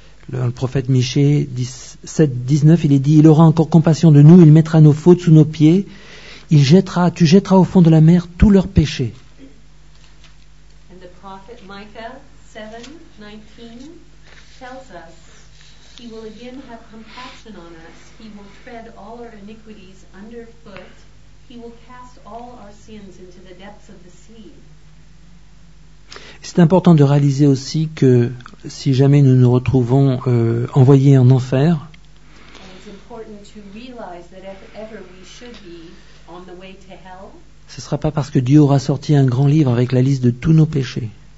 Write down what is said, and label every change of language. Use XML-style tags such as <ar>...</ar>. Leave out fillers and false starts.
<fr>Le prophète Michée 7:19, il est dit, il aura encore compassion de nous, il mettra nos fautes sous nos pieds, tu jetteras au fond de la mer tous leurs péchés.</fr> <en>And the prophet Micah 7:19 tells us, he will again have compassion on us, he will tread all our iniquities underfoot, he will cast all our sins into the depths of the sea.</en> <fr>C'est important de réaliser aussi que si jamais nous nous retrouvons envoyés en enfer, ce ne sera pas parce que Dieu aura sorti un grand livre avec la liste de tous nos péchés.</fr>